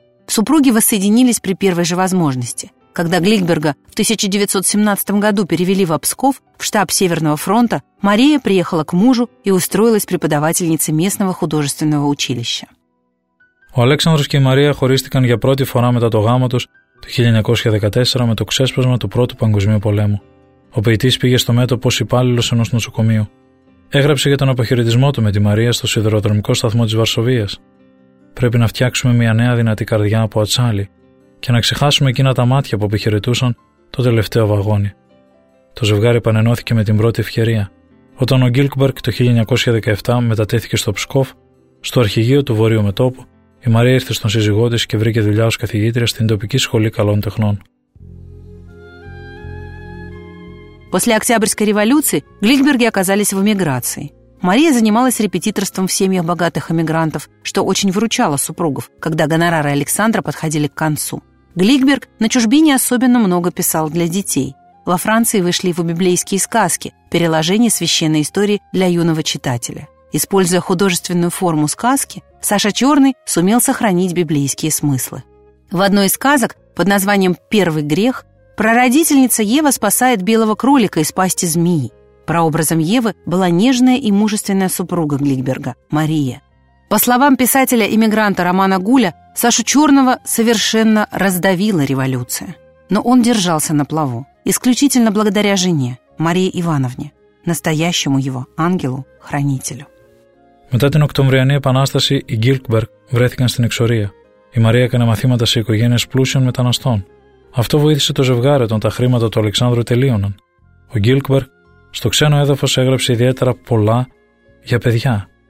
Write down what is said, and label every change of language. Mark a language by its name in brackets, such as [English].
[Russian] Супруги воссоединились при первой же возможности. Когда Гликберга в 1917 году перевели в Псков, в штаб Северного фронта, Мария приехала к мужу и устроилась преподавательницей местного художественного училища. [Greek] Ο Αλέξανδρος και η Μαρία χωρίστηκαν για πρώτη φορά μετά το γάμο τους το 1914 με το ξέσπασμα του Πρώτου Παγκοσμίου Πολέμου. Ο ποιητής πήγε στο μέτωπο ως υπάλληλος ενός νοσοκομείου. Έγραψε για τον αποχαιρετισμό του με τη Μαρία στο σιδηροδρομικό σταθμό της Βαρσοβίας. Πρέπει να φτιάξουμε μια νέα δυνατή καρδιά από ατσάλι και να ξεχάσουμε εκείνα τα μάτια που επιχαιρετούσαν το τελευταίο βαγόνι. Το ζευγάρι επανενώθηκε με την πρώτη ευκαιρία, όταν ο Γκίλκμπερκ το 1917 μετατέθηκε στο Ψκόφ, στο αρχηγείο του Βορείου Μετόπου, η Μαρία ήρθε στον σύζυγό της και βρήκε δουλειά ως καθηγήτρια στην τοπική σχολή καλών τεχνών. [Russian] После Октябрьской революции Гликберги оказались в эмиграции. Мария занималась репетиторством в семьях богатых эмигрантов, что очень выручало супругов, когда гонорары Александра подходили к концу. Гликберг на чужбине особенно много писал для детей. Во Франции вышли его библейские сказки, переложение священной истории для юного читателя. Используя художественную форму сказки, Саша Черный сумел сохранить библейские смыслы. В одной из сказок под названием «Первый грех» прародительница Ева спасает белого кролика из пасти змеи. Прообразом Евы была нежная и мужественная супруга Гликберга, Мария. По словам писателя-эмигранта Романа Гуля, Сашу Черного совершенно раздавила революция. Но он держался на плаву, исключительно благодаря жене, Марии Ивановне, настоящему его ангелу-хранителю. [Greek] Μετά την Οκτωβριανή Επανάσταση, οι Γκίλκμπερκ βρέθηκαν στην εξορία. Η Μαρία έκανε μαθήματα σε οικογένειες πλούσιων μεταναστών. Αυτό βοήθησε το ζευγάρι όταν τα χρήματα του Αλεξάνδρου τελείωναν. Ο Γκίλκμπερκ στο ξένο έδαφος έγραψε ιδιαίτερα πολλά για παιδιά.